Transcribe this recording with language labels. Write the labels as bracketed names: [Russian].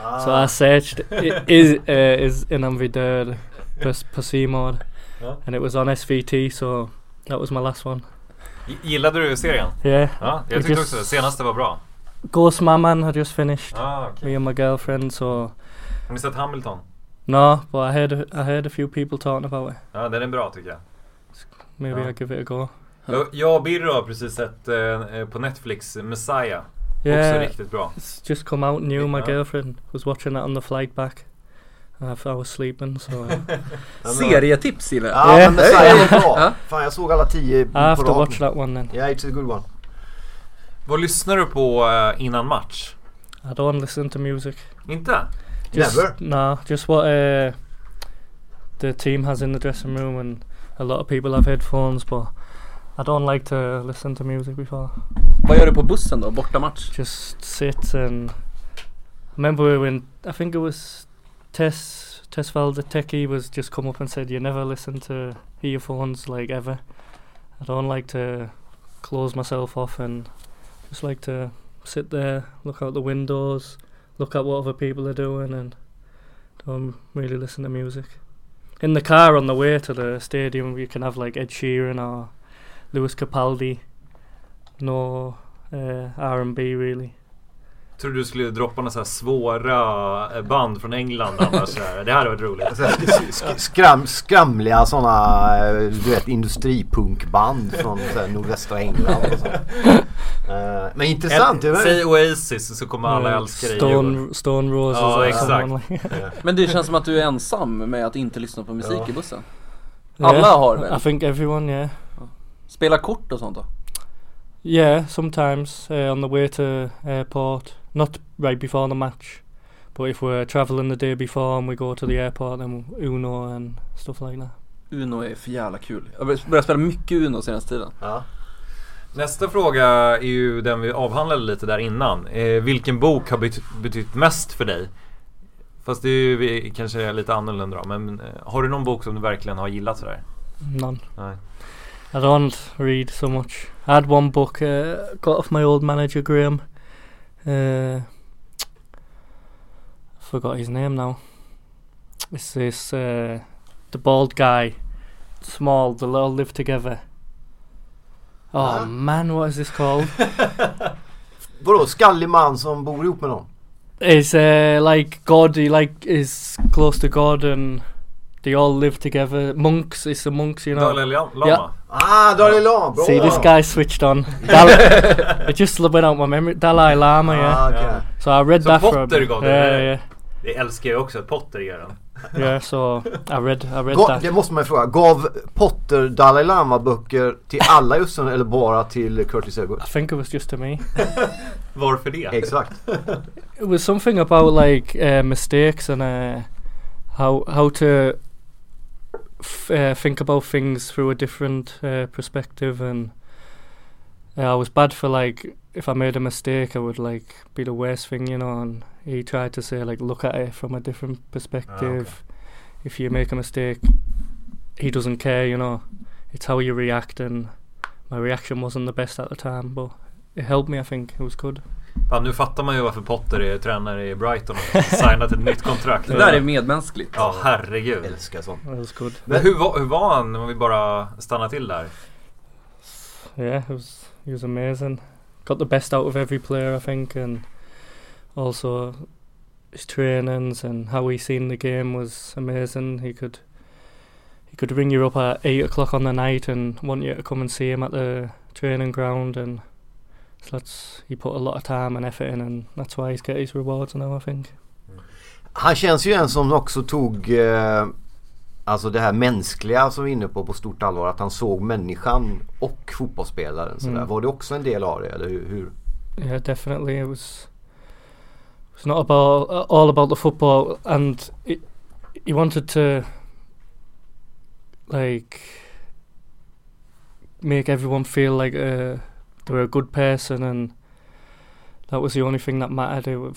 [English] So I searched is Innan vi dör på Seymour, and it was on SVT. So that was my last one. [Swedish] Gillade du serien? [English] Yeah. [Swedish] Ja, jag tyckte också. Senaste var bra. [English] Ghost Mamman had just finished. Ah, okay. Me and my girlfriend. So. [Swedish] Har ni sett Hamilton? [English] No, but I heard a few people talking about it. [Swedish] Ja, den är bra tycker jag. [English] Maybe I'll give it a go. [Swedish] Jag och Birro har precis sett på Netflix Messiah. Yeah, också riktigt bra. [English] It's just come out new. My girlfriend was watching that on the flight back. I was sleeping, so. [Swedish] Serietips, Ile. Ja, men Messiah var bra. Fan, jag såg alla 10 på rad. [English] I have to watch that one then. Yeah, it's a good one. [Swedish] Vad lyssnar du på innan match? [English] I don't listen to music. [Swedish] Inte? [English] Just what the team has in the dressing room, and a lot of people have headphones, but I don't like to listen to music before. Vad gör du på bussen då, borta match? Just sit and remember when I think it was Tesfeld, the techie, was just come up and said, "You never listen to earphones, like, ever." I don't like to close myself off and just like to sit there, look out the windows, look at what other people are doing, and don't really listen to music. In the car on the way to the stadium, you can have like Ed Sheeran or Lewis Capaldi, no R&B really. [Swedish] Tror du skulle droppa några så här svåra band från England annars? Det här hade varit roligt. Skramliga sådana, du vet, industripunkband från nordvästra England. Och men intressant. Säg Oasis så kommer alla älska dig. Stone Roses. Ja, exakt. Men det känns som att du är ensam med att inte lyssna på musik i bussen. Alla har väl? [English] I think everyone, yeah. [Swedish] Spela kort och sånt då? [English] Yeah, sometimes on the way to airport. Not right before the match, but if we're traveling the day before and we go to the airport, then Uno and stuff like that. [Swedish] Uno är för jävla kul. Jag börjar spela mycket Uno senaste tiden. Ja. Nästa fråga är ju den vi avhandlade lite där innan. Vilken bok har betytt mest för dig? Fast det är ju kanske lite annorlunda då, men har du någon bok som du verkligen har gillat sådär? [English] None. [Swedish] Nej. [English] I don't read so much. I had one book, got off my old manager Graham. Forgot his name now. It's this the bald guy, small, the little live together. Oh man, what is this called? [Swedish] Vadå, skallig man som bor ihop med någon? [English] It's like God, he like is close to God and they all live together. Monks, it's the monks, you know. Dalai Lama. Yeah. Ah, Dalai Lama. Bro. See, this guy switched on. It just went out my memory. Dalai Lama, yeah. Okay. So I read that Potter for [Swedish] Potter gav dig. Det älskar jag också, Potter gör han. [English] Yeah, so I read that. [Swedish] Det måste man fråga. Gav Potter Dalai Lama böcker till alla just nu, eller bara till Curtis Edwards? [English] I think it was just to me. [Swedish] Varför det? Exakt. [English] It was something about like mistakes and... How to think about things through a different perspective, and I was bad for like if I made a mistake, I would like be the worst thing, you know. And he tried to say like look at it from a different perspective. Okay. If you make a mistake, he doesn't care, you know. It's how you react, and my reaction wasn't the best at the time, but it helped me. I think it was good. [Swedish] Ja, nu fattar man ju varför Potter är tränare i Brighton och signat ett nytt kontrakt. Det där är medmänskligt. Ja, herregud. Jag älskar sånt. [English] It was good. [Swedish] Men hur var han, om vi bara stannar till där? [English] Yeah, he was amazing. Got the best out of every player, I think, and also his trainings and how he seen the game was amazing. He could ring you up at 8:00 on the night and want you to come and see him at the training ground, and so that's, he put a lot of time and effort in, and that's why he's getting his rewards now, I think. [Swedish] Han känns ju en som också tog alltså det här mänskliga som vi är inne på stort allvar, att han såg människan och fotbollsspelaren så där. Var det också en del av det, eller hur? [English] Yeah, definitely. It was not all about the football, and he wanted to like make everyone feel like they were a good person, and that was the only thing that mattered.